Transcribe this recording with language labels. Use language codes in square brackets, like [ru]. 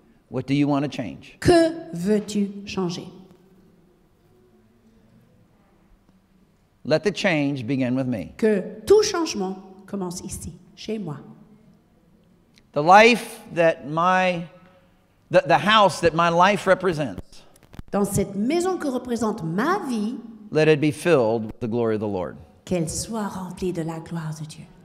[en] What do you want to change? [fr] Que veux-tu changer? [en] Let the change begin with me. [fr] Que tout changement commence ici, chez moi. [en] The life that my, the house that my life represents. [fr] Dans cette maison que représente ma vie, [en] let it be filled with the glory of the Lord. [fr] Qu'elle soit remplie de la gloire de Dieu.